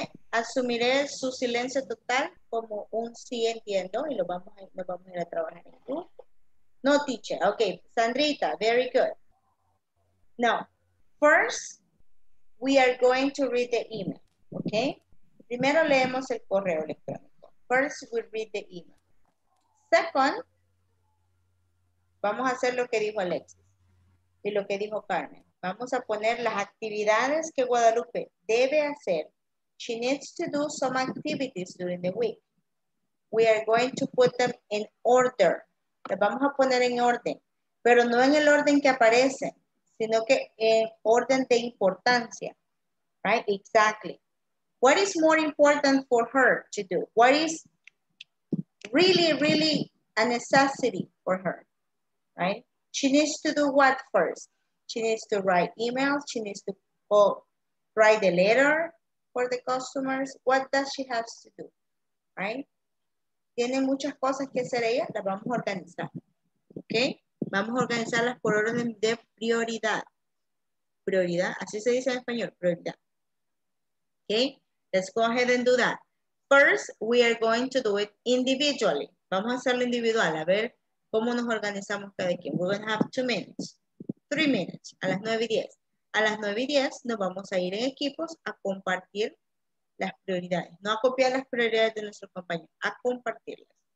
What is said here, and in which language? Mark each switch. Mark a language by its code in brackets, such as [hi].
[es] Asumiré su silencio total como un sí entiendo y lo vamos a ir a trabajar en grupo. [en] No, teacher. Okay, Sandrita, very good. Now, first, we are going to read the email, okay? [es] Primero leemos el correo electrónico. [en] First, we read the email. [es] Second, vamos a hacer lo que dijo Alexis y lo que dijo Carmen. Vamos a poner las actividades que Guadalupe debe hacer. [en] She needs to do some activities during the week. We are going to put them in order. [es] Las vamos a poner en orden, pero no en el orden que aparece, sino que en orden de importancia, right? [en] Exactly. What is more important for her to do? What is really, really a necessity for her, right? She needs to do what first? She needs to write emails. She needs to write the letter for the customers. What does she have to do, right? [es] Tiene muchas cosas que hacer ella, las vamos a organizar, ¿ok? Vamos a organizarlas por orden de prioridad. Prioridad, así se dice en español, prioridad. ¿Ok? [en] Let's go ahead and do that. First, we are going to do it individually. [es] Vamos a hacerlo individual, a ver cómo nos organizamos cada quien. [en] We're going to have 2 minutes, 3 minutes, [es] a las 9:10. A las 9:10 nos vamos a ir en equipos a compartir las prioridades, no a copiar las prioridades de nuestro compañero, a compartirlas.